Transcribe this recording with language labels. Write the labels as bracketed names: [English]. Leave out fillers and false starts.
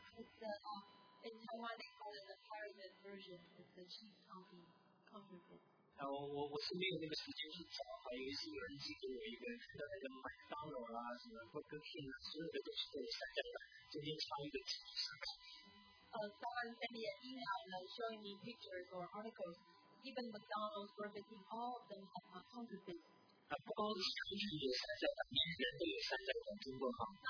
[Chinese] 我是没有那个时间去找，还以为是有人寄给我一个那个麦当劳啦，什么 Burger King 啊，所有的都是这个山寨版，中间差一个字。 [English] Someone sent me an email showing me pictures or articles, even McDonald's, Burger King, all of them have counterfeits. [Chinese] 不光是产品有山寨版，每个人都有山寨版，听过吗？